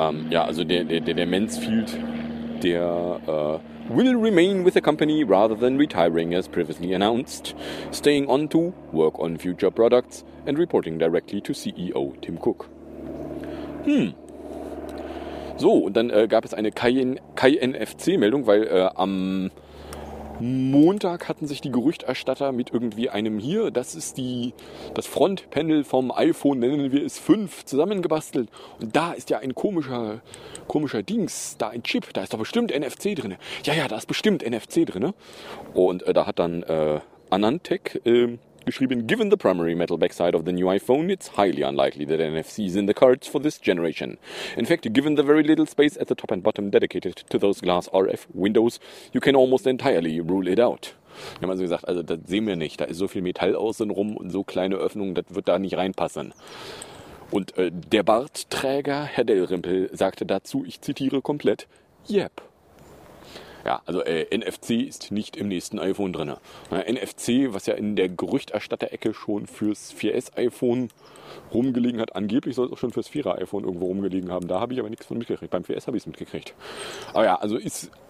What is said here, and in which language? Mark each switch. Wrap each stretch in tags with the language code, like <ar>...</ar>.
<de>Ja, also der Mansfield, der</de> <en>will remain with the company rather than retiring as previously announced, staying on to work on future products and reporting directly to CEO Tim Cook.</en> <de>So, und dann gab es eine KNFC-Meldung, weil am Montag hatten sich die Gerüchterstatter mit irgendwie einem hier, das Frontpanel vom iPhone, nennen wir es 5, zusammengebastelt. Und da ist ja ein komischer Dings, da ein Chip, da ist doch bestimmt NFC drin. Ja, ja, da ist bestimmt NFC drin. Und da hat dann Anantech geschrieben,</de> <en>given the primary metal backside of the new iPhone, it's highly unlikely that NFC is in the cards for this generation. In fact, given the very little space at the top and bottom dedicated to those glass RF windows, you can almost entirely rule it out.</en> <de>Wir haben also gesagt, also das sehen wir nicht, da ist so viel Metall außenrum und so kleine Öffnungen, das wird da nicht reinpassen. Und der Bartträger, Herr Dellrimpel, sagte dazu, ich zitiere komplett, yep. Ja, also NFC ist nicht im nächsten iPhone drin. NFC, was ja in der Gerüchterstatter-Ecke schon fürs 4S-iPhone rumgelegen hat, angeblich soll es auch schon fürs 4er-iPhone irgendwo rumgelegen haben. Da habe ich aber nichts von mitgekriegt. Beim 4S habe ich es mitgekriegt. Aber ja, also ist</de>